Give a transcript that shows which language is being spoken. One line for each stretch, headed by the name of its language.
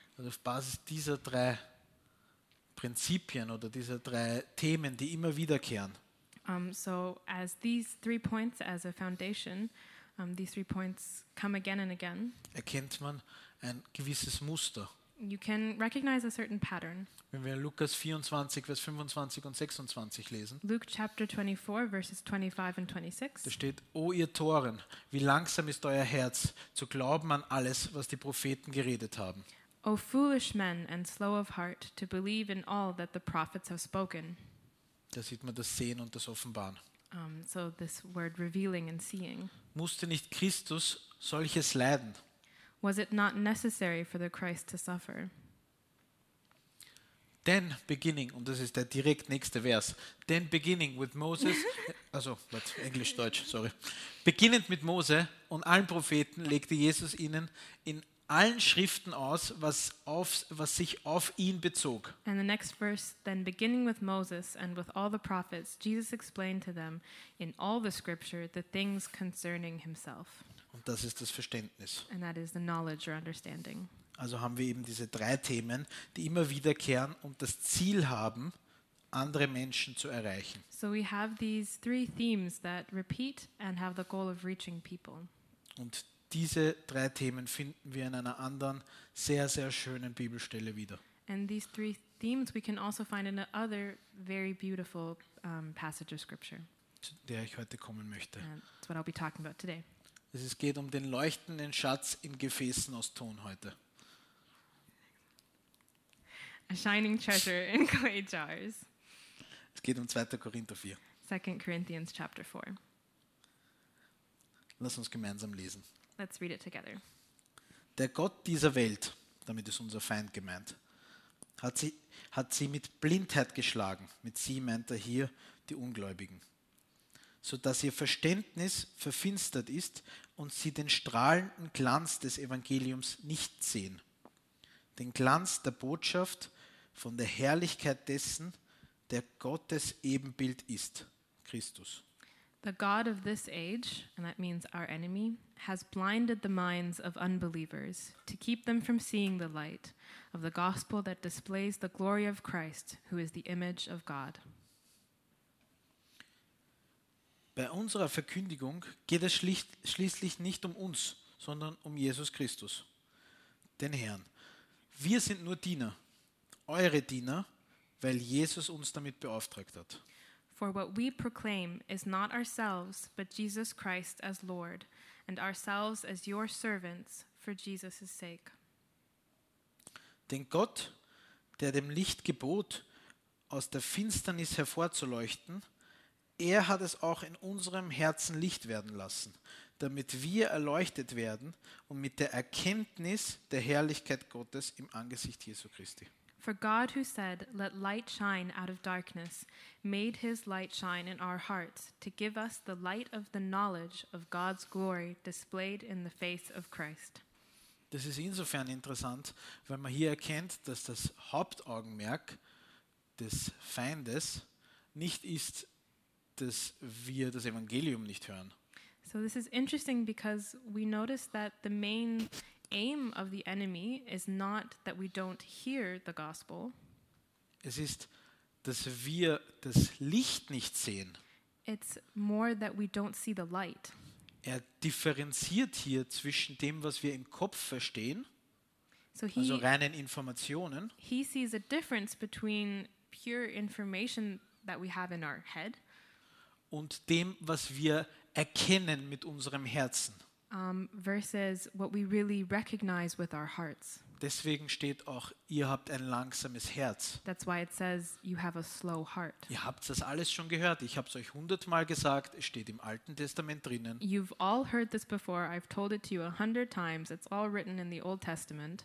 German: Also auf Basis dieser drei Prinzipien oder dieser drei Themen, die immer wiederkehren.
English: So as these three points as a foundation, these three points come again and again.
German: Erkennt man ein gewisses Muster.
English: You can recognize a certain pattern.
German: Wenn wir Lukas 24, Vers 25 und 26 lesen.
English: Luke chapter 24, verses 25 and 26.
German: Da steht, O ihr Toren, wie langsam ist euer Herz, zu glauben an alles, was die Propheten geredet haben.
English: O foolish men and slow of heart, to believe in all that the prophets have spoken.
German: Da sieht man das Sehen und das Offenbaren.
English: So this word revealing and seeing.
German: Musste nicht Christus solches leiden?
English: Was it not necessary for the Christ to suffer? Then beginning,
German: und das ist der direkt nächste Vers,
English: then beginning with Moses,
German: also, Englisch-Deutsch,
English: sorry.
German: Beginnend mit Mose und allen Propheten legte Jesus ihnen in allen Schriften aus, was sich auf ihn bezog.
English: And the next verse, then beginning with Moses and with all the prophets, Jesus explained to them in all the scripture the things concerning himself.
German: Und das ist das Verständnis.
English: And that is the knowledge or understanding.
German: Also haben wir eben diese drei Themen, die immer wiederkehren und das Ziel haben, andere Menschen zu erreichen.
English: So we have these three themes that repeat and have the goal of reaching people.
German: Und diese drei Themen finden wir in einer anderen sehr, sehr schönen Bibelstelle wieder.
English: And these three themes we can also find in another very beautiful passage of scripture.
German: Zu der ich heute kommen möchte.
English: That's what I'll be talking about today.
German: Es geht um den leuchtenden Schatz in Gefäßen aus Ton heute.
English: A shining treasure in clay jars.
German: Es geht um 2. Korinther 4.
English: 2 Corinthians chapter 4.
German: Lass uns gemeinsam lesen.
English: Let's read it together.
German: Der Gott dieser Welt, damit ist unser Feind gemeint, hat sie mit Blindheit geschlagen. Mit sie meint er hier die Ungläubigen. Sodass ihr Verständnis verfinstert ist und sie den strahlenden Glanz des Evangeliums nicht sehen. Den Glanz der Botschaft von der Herrlichkeit dessen, der Gottes Ebenbild ist, Christus.
English: The God of this age, and that means our enemy, has blinded the minds of unbelievers to keep them from seeing the light of the gospel that displays the glory of Christ, who is the image of God.
German: Bei unserer Verkündigung geht es schließlich nicht um uns, sondern um Jesus Christus, den Herrn. Wir sind nur Diener, eure Diener, weil Jesus uns damit beauftragt hat.
English: For what we proclaim is not ourselves, but Jesus Christ as Lord, and ourselves as your servants for Jesus' sake.
German: Denn Gott, der dem Licht gebot, aus der Finsternis hervorzuleuchten, er hat es auch in unserem Herzen Licht werden lassen, damit wir erleuchtet werden und mit der Erkenntnis der Herrlichkeit Gottes im Angesicht Jesu Christi.
English: For God who said, let light shine out of darkness, made his light shine in our hearts to give us the light of the knowledge of God's glory displayed in the face of Christ.
German: Das ist insofern interessant, weil man hier erkennt, dass das Hauptaugenmerk des Feindes nicht ist, dass wir das Evangelium nicht hören.
English: So this is interesting because we notice that the main aim of the enemy is not that we don't hear the gospel.
German: Es ist, dass wir das Licht nicht sehen.
English: It's more that we don't see the light.
German: Er differenziert hier zwischen dem, was wir im Kopf verstehen,
English: so he,
German: also reinen Informationen.
English: He sees a difference between pure information that we have in our head.
German: Und dem, was wir erkennen mit unserem Herzen.
English: Versus what we really recognize with our hearts.
German: Deswegen steht auch, ihr habt ein langsames Herz.
English: That's why it says you have a slow heart.
German: Ihr habt das alles schon gehört. Ich habe es euch 100-mal gesagt. Es steht im Alten Testament drinnen.
English: You've all heard this before. I've told it to you 100 times. It's all written in the Old Testament.